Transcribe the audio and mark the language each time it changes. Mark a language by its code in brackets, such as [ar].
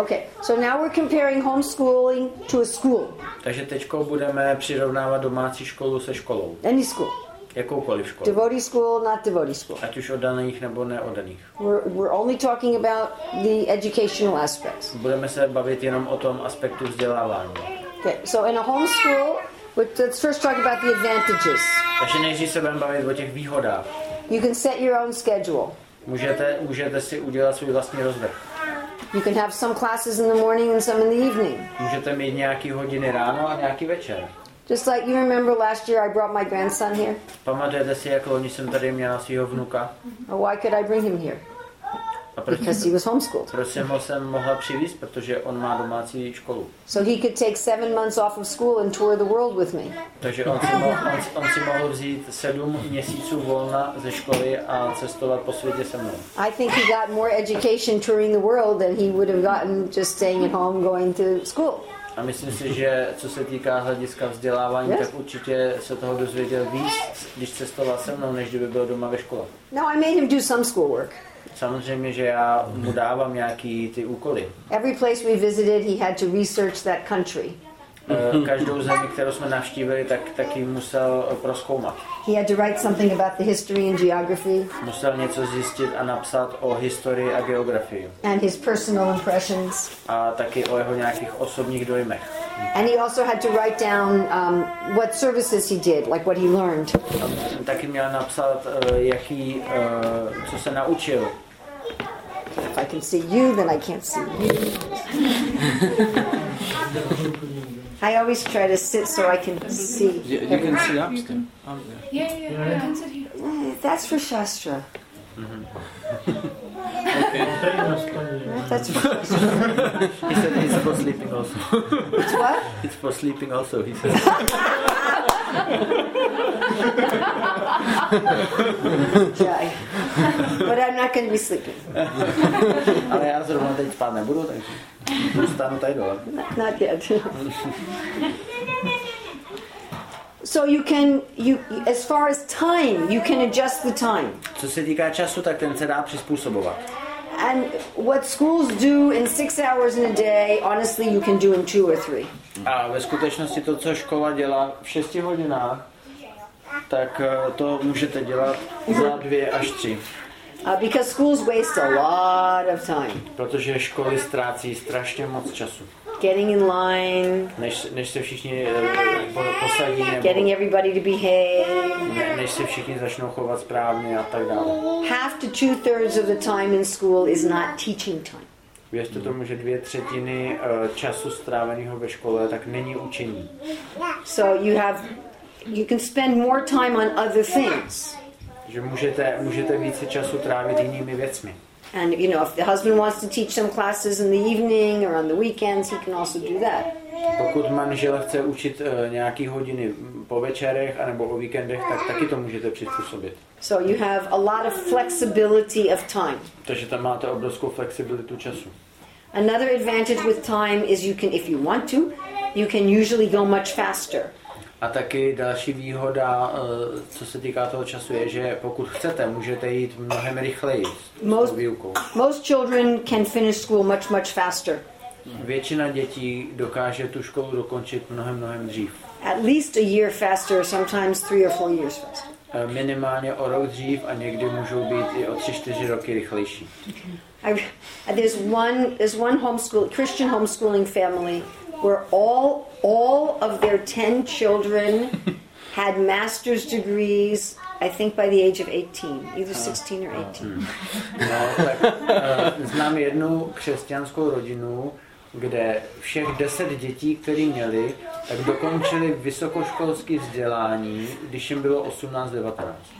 [en] Okay, so now we're comparing homeschooling to a school. [cs] Takže teďko budeme přirovnávat domácí školu se školou. [en] Any school. [cs] Jakoukoliv školu. [en] Devotee school, not devotee school. [cs] Ať už oddaných nebo neoddaných. [en] We're only talking about the educational aspects. [cs] Budeme se bavit jenom o tom aspektu vzdělávání. [en] Okay, so in a home school, let's first talk about the advantages. [cs] Takže nejdřív se budeme bavit o těch výhodách. [en] You can set your own schedule. [cs] Můžete si udělat svůj vlastní rozvrh. [en] You can have some classes in the morning and some in the evening. [cs] Můžete mít nějaký hodiny ráno a nějaký večer. [en] Just like you remember last year I brought my grandson here. [cs] Pamatujete si, jak loni jsem tady měla svýho vnuka? [en] Well, why could I bring him here? Because he was homeschooled. [cs] Proč jsem ho sem mohla přivést, protože on má domácí školu. [en] So he could take 7 months off of school and tour the world with me. [cs] Takže on si mohl vzít 7 měsíců volna ze školy a cestovat po světě se mnou. [en] I think he got more education touring the world than he would have gotten just staying at home going to school. [cs] A myslím si, že co se týká hlediska vzdělávání, yes, tak určitě se toho dozvěděl víc, když cestoval se mnou, než kdyby byl doma ve škole. [en] No, I made him do some schoolwork. [cs] Samozřejmě, že já mu dávám nějaký ty úkoly. [en] Every place we visited, he had to research that country. [cs] Každou zemi, kterou jsme navštívili, tak ji musel prozkoumat. [en] He had to write something about the history and geography. [cs] Musel něco zjistit a napsat o historii a geografii. [en] And his personal impressions. [cs] A taky o jeho nějakých osobních dojmech. [en] And he also had to write down what services he did, like what he learned. [cs] Taky měl napsat, jaký, co se naučil. [en] If I can see you, then I can't see you. I always try to sit so I can see. Yeah, you can see upstairs. Yeah. That's for Shastra. That's for Shastra. He said he's for sleeping also. It's what? It's for sleeping also, he said. But I'm not going to be sleeping. [cs] Ale já zrovna teď spát nebudu, takže zůstanu tady dole. [en] Not yet. So you can, you as far as time, you can adjust the time. [cs] Co se týká času, tak ten se dá přizpůsobovat. [en] And what schools do in 6 hours in a day, honestly, you can do in 2 or 3. [cs] A ve skutečnosti to, co škola dělá v 6 hodinách, tak to můžete dělat za 2 až 3. [en] Because schools waste a lot of time. [cs] Protože školy ztrácí strašně moc času. [en] Getting in line. [cs] Než se všichni posadí. Nebo [en] getting everybody to behave. [cs] Než se všichni začnou chovat správně a tak dále. [en] Half to 2/3 of the time in school is not teaching time. [cs] Věřte tomu, že 2/3 času stráveného ve škole tak není učení. [en] So you can spend more time on other things. [cs] Že můžete více času trávit jinými věcmi. [en] And you know, if the husband wants to teach some classes in the evening or on the weekends, he can also do that. [cs] Pokud manžel chce učit nějaký hodiny po večerech anebo o víkendech, tak taky to můžete přizpůsobit. [en] So you have a lot of flexibility of time. [cs] Takže tam máte obrovskou flexibilitu času. [en] Another advantage with time is you can, if you want to, you can usually go much faster. [cs] A taky další výhoda, co se týká toho času, je, že pokud chcete, můžete jít mnohem rychleji s tou výukou. [en] Most children can finish school much, much faster. [cs] Většina dětí dokáže tu školu dokončit mnohem, mnohem dřív. [en] At least a year faster, sometimes 3 or 4 years faster. [cs] Minimálně o rok dřív a někdy můžou být i o 3-4 roky rychlejší. [en] There's one homeschooling, Christian homeschooling family where all of their 10 children had master's degrees, I think by the age of 18, either 16 or 18. [cs] Znám jednu křesťanskou rodinu, kde všech 10 dětí, které měli, tak dokončili vysokoškolské vzdělání, když jim bylo 18-19.